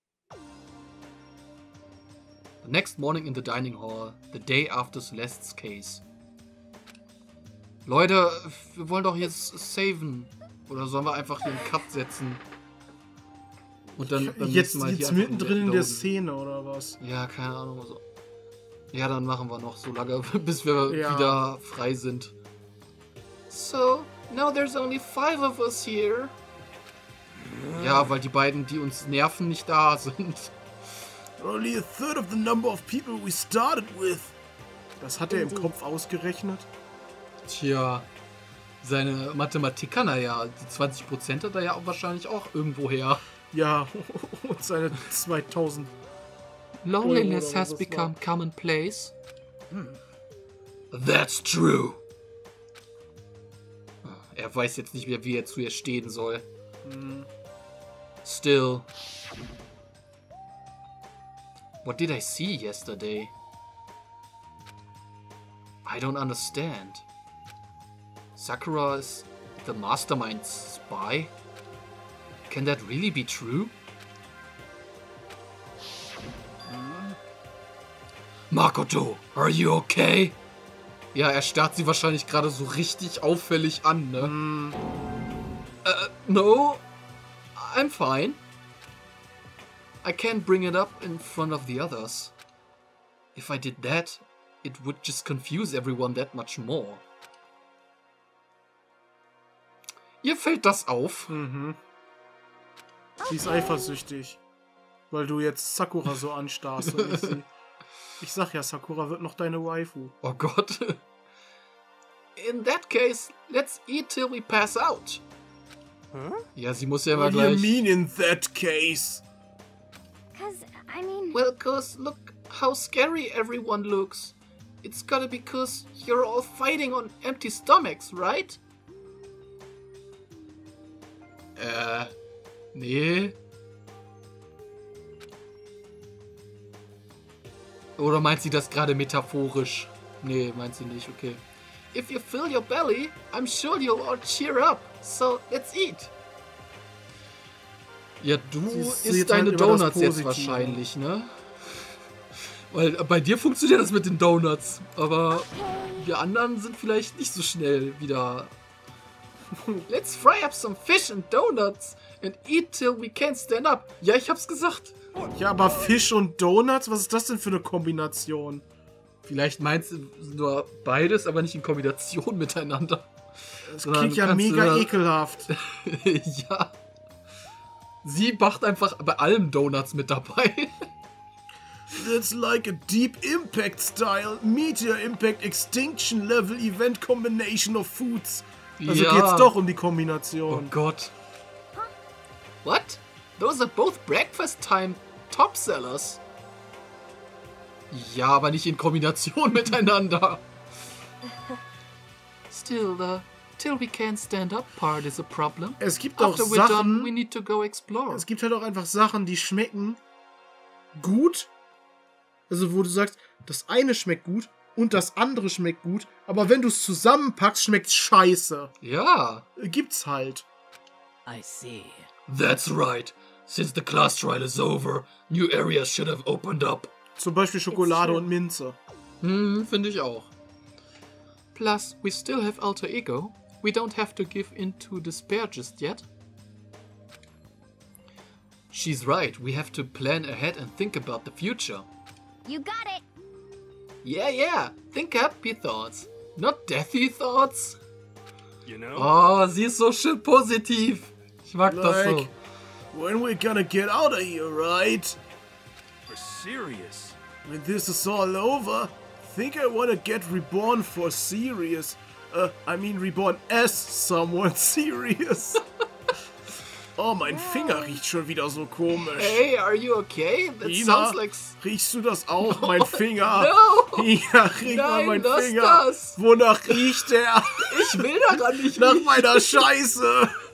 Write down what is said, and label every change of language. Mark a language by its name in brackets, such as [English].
[English] The next morning in the dining hall, the day after Celeste's case. [German] Leute, wir wollen doch jetzt saven. Oder sollen wir einfach hier einen Cut setzen? Und dann jetzt mal jetzt hier mittendrin in der Szene oder was? Ja, keine Ahnung. Also. Ja, dann machen wir noch so lange, bis wir wieder frei sind. [English] So, now there's only 5 of us here. [German] Ja, weil die beiden, die uns nerven, nicht da sind. [English] Only a third of the number of people we started with. [German] Das hat er im Kopf ausgerechnet. Tja, seine Mathematik kann er ja. Die 20% hat er ja auch wahrscheinlich auch irgendwo her. Ja, und seine 2000. [English] Loneliness has become commonplace. That's true. [German] Er weiß jetzt nicht mehr, wie er zu ihr stehen soll. [English] Still. What did I see yesterday? I don't understand. Sakura is the mastermind's spy? Can that really be true? Makoto, are you okay? [German] Ja, er starrt sie wahrscheinlich gerade so richtig auffällig an, ne? [English] No, I'm fine. I can't bring it up in front of the others. If I did that, it would just confuse everyone that much more. [German] Ihr fällt das auf. Mhm. Sie ist eifersüchtig. Weil du jetzt Sakura so anstarrst. Und ich sag ja, Sakura wird noch deine Waifu. Oh Gott. [English] In that case, let's eat till we pass out. [German] Huh? Ja, sie muss ja immer gleich... [English] What do you mean in that case? Because, I mean... Well, because look how scary everyone looks. It's gotta be because you're all fighting on empty stomachs, right? [German] Nee. Oder meint sie das gerade metaphorisch? Nee, meint sie nicht, okay. [English] If you fill your belly, I'm sure you'll all cheer up. So, let's eat. [German] Ja, du isst deine Donuts jetzt wahrscheinlich, ne? Weil bei dir funktioniert das mit den Donuts. Aber wir anderen sind vielleicht nicht so schnell wieder... [English] Let's fry up some fish and donuts and eat till we can't stand up. [German] Ja, ich hab's gesagt. Ja, aber Fisch und Donuts, was ist das denn für eine Kombination? Vielleicht meinst du nur beides, aber nicht in Kombination miteinander. Das sondern klingt ja mega ekelhaft. Ja. Sie macht einfach bei allem Donuts mit dabei. [English] It's like a Deep Impact style Meteor Impact Extinction Level Event Combination of Foods. [German] Also ja. Geht's doch um die Kombination. Oh Gott. [English] What? Those are both breakfast time top sellers. [German] Ja, aber nicht in Kombination miteinander. [English] Still, the till we can't stand up part is a problem. [German] Es gibt auch Sachen, [English] after we're done, we need to go explore. [German] Es gibt halt auch einfach Sachen, die schmecken gut. Also wo du sagst, das eine schmeckt gut. Und das andere schmeckt gut, aber wenn du es zusammenpackst, schmeckt's scheiße. Ja. Gibt's halt. [English] I see. That's right. Since the class trial is over, new areas should have opened up. [German] Zum Beispiel Schokolade und Minze. Hm, finde ich auch. [English] Plus, we still have Alter Ego. We don't have to give in to despair just yet. She's right. We have to plan ahead and think about the future. You got it! Yeah, yeah. Think happy thoughts. Not deathy thoughts. You know? [German] Oh, sie ist so schön positiv. Ich mag das so. [English] When we gonna get out of here, right? We're serious. When this is all over, think I wanna get reborn for serious. Reborn as someone serious. [German] Oh, mein Finger riecht schon wieder so komisch. [English] Hey, are you okay? That Ina, sounds like... [German] riechst du das auch, mein Finger? [English] No! [German] Ja, riech mal mein lass Finger. Das. Wonach riecht der? Ich will daran nicht Nach meiner Scheiße.